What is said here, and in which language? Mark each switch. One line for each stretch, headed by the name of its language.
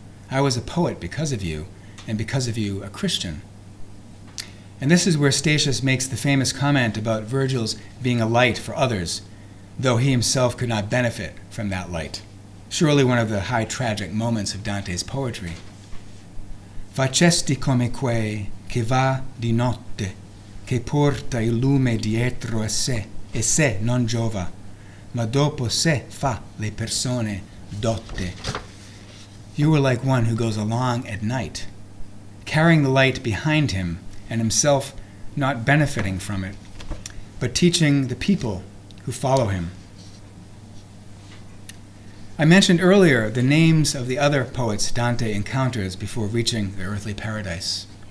English: I was a poet because of you, and because of you, a Christian. And this is where Eustachius makes the famous comment about Virgil's being a light for others, though he himself could not benefit from that light. Surely one of the high tragic moments of Dante's poetry.
Italian: Facesti come quei che va di notte, che porta il lume dietro a sé, e se non giova, ma dopo se fa le persone dotte.
English: You were like one who goes along at night, carrying the light behind him, and himself not benefiting from it, but teaching the people who follow him. I mentioned earlier the names of the other poets Dante encounters before reaching the earthly paradise.